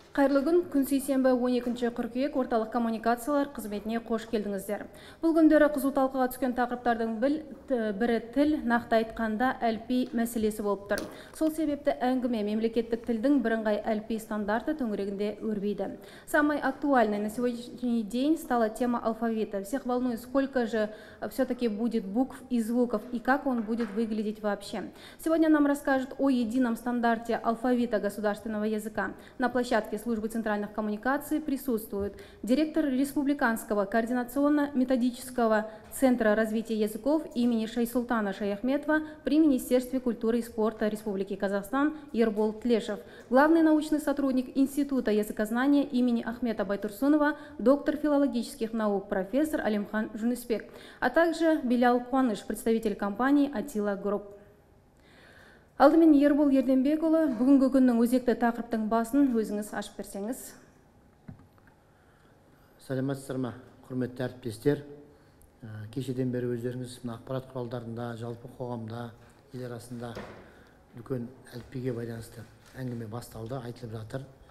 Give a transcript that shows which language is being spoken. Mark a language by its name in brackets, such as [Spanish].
[Kazakh] Қайырлы күн, күн сейсенбі 12-ші қыркүйек, орталық коммуникациялар қызметіне қош келдіңіздер. Бұл күндері қызу талқыға түскен тақырыптардың бірі тіл, нақты айтқанда әліпби мәселесі болып тұр. Сол себепті әңгіме мемлекеттік тілдің бірыңғай әліпби стандарты төңірегінде өрбейді. [Russian] Самый актуальный на сегодняшний день стала тема алфавита. Всех волнует, сколько же все-таки будет букв и звуков, и как он будет выглядеть вообще. Сегодня нам расскажут о едином стандарте алфавита государственного языка. На площадке службы центральных коммуникаций присутствует директор Республиканского координационно-методического центра развития языков имени Шайсултана Шаяхметова при Министерстве культуры и спорта Республики Казахстан Ербол Тлешев, главный научный сотрудник Института языкознания имени Ахмета Байтурсунова, доктор филологических наук, профессор Алимхан Жунысбек, а также Белял Куаныш, представитель компании Атила Групп. [Kazakh] Алдымен Ербол Ерденбекұлы, бүгінгі күннің өзекті тақырыптың басын өзіңіз ашып берсеңіз. Сәлеметсіздер ме, құрметті әріптестер. Кешеден бері өздеріңіз ақпарат құралдарында, жалпы қоғамда, ел арасында үлкен әліппеге байланысты әңгіме басталды, айтылып жатыр.